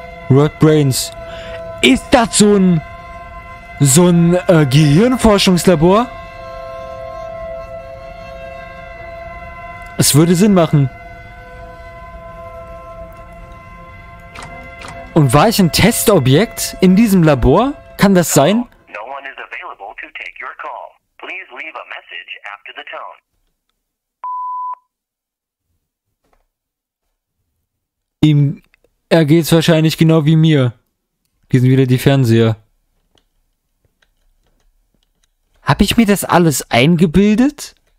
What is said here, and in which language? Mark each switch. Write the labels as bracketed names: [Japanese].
[German] Rot Brains. Ist das so ein... So ein Gehirnforschungslabor? Es würde Sinn machen. Und war ich ein Testobjekt in diesem Labor? Kann das sein? [English] No one is available to take your call. Please leave a message after the tone. [German] Ihm ergeht's wahrscheinlich genau wie mir. Hier sind wieder die Fernseher. Hab ich mir das alles eingebildet?